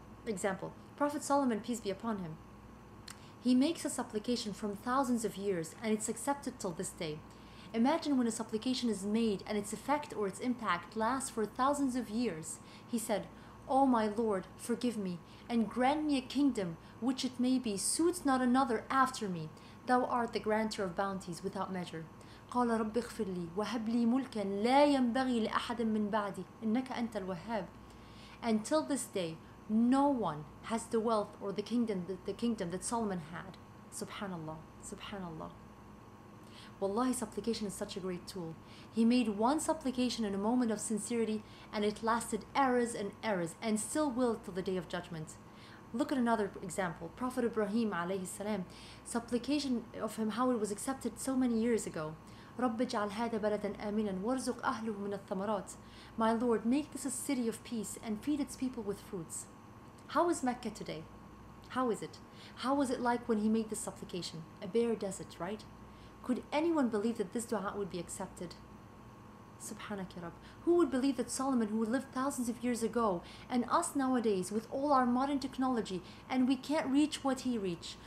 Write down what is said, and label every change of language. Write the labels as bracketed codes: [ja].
[en] example, Prophet Solomon, peace be upon him, he makes a supplication from thousands of years and it's accepted till this day. Imagine when a supplication is made and its effect or its impact lasts for thousands of years. He said, "Oh my Lord, forgive me and grant me a kingdom which it may be suits not another after me. Thou art the grantor of bounties without measure." [ar] قال رب اغفر لي وهب لي ملكا لا ينبغي لأحد من بعدي إنك أنت الوهاب. [en] Until this day, no one has the wealth or the kingdom that Solomon had. Subhanallah, subhanallah. Wallahi, supplication is such a great tool. He made one supplication in a moment of sincerity and it lasted eras and eras and still will till the day of judgment. Look at another example. Prophet Ibrahim alayhi salam, supplication of him, how it was accepted so many years ago. [ar] رب اجعل هذا بلدا آمنا وارزق أهله من الثمرات. [en] My Lord, make this a city of peace and feed its people with fruits. How is Mecca today? How is it? How was it like when he made this supplication? A bare desert, right? Could anyone believe that this dua would be accepted? [ar] Subhanak ya Rab. [en] Who would believe that Solomon, who lived thousands of years ago, and us nowadays with all our modern technology, and we can't reach what he reached.